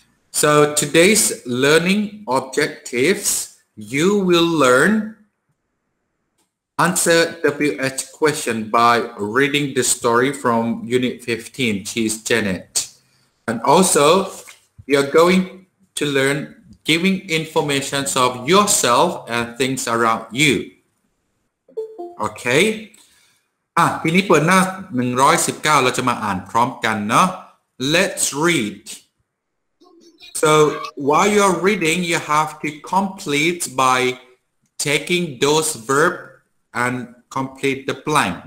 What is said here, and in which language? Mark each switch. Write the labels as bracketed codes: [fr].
[en] So today's learning objectives, you will learn answer WH question by reading the story from Unit 15, Cheese Janet. And also, you're going to learn giving information of yourself and things around you. Okay? [th] ทีนี้เปิดหน้า119เราจะมาอ่านพร้อมกันเนาะ [en] Let's read. So while you are reading, you have to complete by taking those verbs and complete the blank.